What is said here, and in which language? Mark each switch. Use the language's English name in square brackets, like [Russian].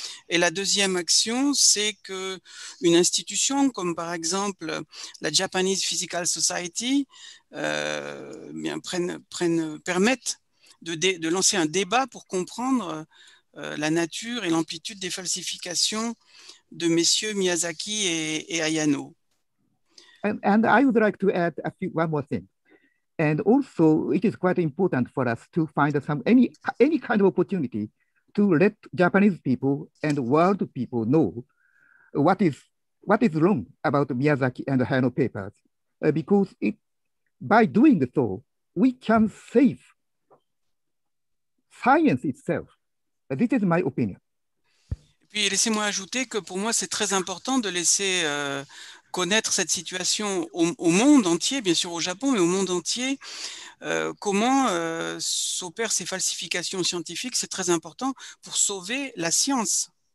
[French] Et la deuxième action, c'est que une institution comme par exemple la Japanese Physical Society permette de lancer un débat pour comprendre la nature et l'amplitude des falsifications de messieurs Miyazaki et Hayano. [English] And I would like to add one more thing. And also, it is quite important for us to find any kind of opportunity to let Japanese people and world people know what is wrong about Miyazaki and Hayano papers. Because by doing so, we can save science itself. This is my opinion. [French] Et puis, laissez-moi ajouter que pour moi, c'est très important de laisser connaître cette situation au monde entier, bien sûr au Japon, mais au monde entier, comment s'opèrent ces falsifications scientifiques, c'est très important pour sauver la science.